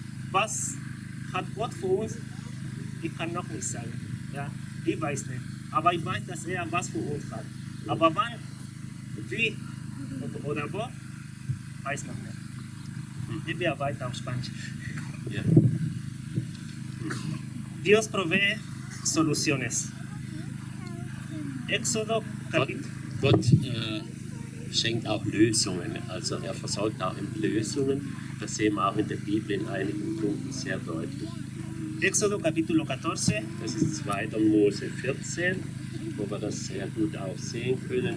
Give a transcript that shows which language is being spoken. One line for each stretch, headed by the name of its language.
German: Was hat Gott für uns? Ich kann noch nicht sagen. Ja? Ich weiß nicht. Aber ich weiß, dass er was für uns hat. Aber wann, wie oder wo, weiß noch nicht. Ich bin weiter auf Spanisch. Ja.
Spanish: Dios provee soluciones. Exodo
German: Gott schenkt auch Lösungen, also er versorgt auch in Lösungen. Das sehen wir auch in der Bibel in einigen Punkten sehr deutlich. Exodo Kapitel 14. Das ist 2. Mose 14, wo wir das sehr gut auch sehen können.